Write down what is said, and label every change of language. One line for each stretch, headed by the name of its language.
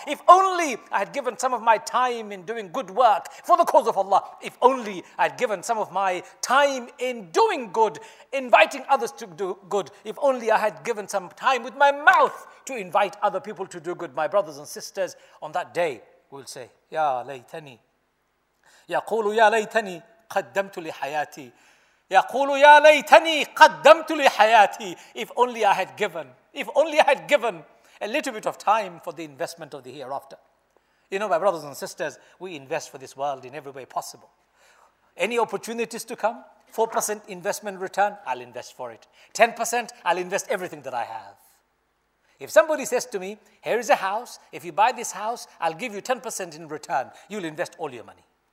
English: If only I had given some of my time in doing good work for the cause of Allah. If only I had given some of my time in doing good, inviting others to do good. If only I had given some time with my mouth to invite other people to do good. My brothers and sisters, on that day, we'll say,
Arabic: Ya Laytani. يقول يا ليتني قدمت لحياتي. يقول يا ليتني قدمت لحياتي.
English: If only I had given a little bit of time for the investment of the hereafter. You know, my brothers and sisters, we invest for this world in every way possible. Any opportunities to come? 4% investment return, I'll invest for it. 10%, I'll invest everything that I have. If somebody says to me, here is a house, if you buy this house, I'll give you 10% in return, you'll invest all your money.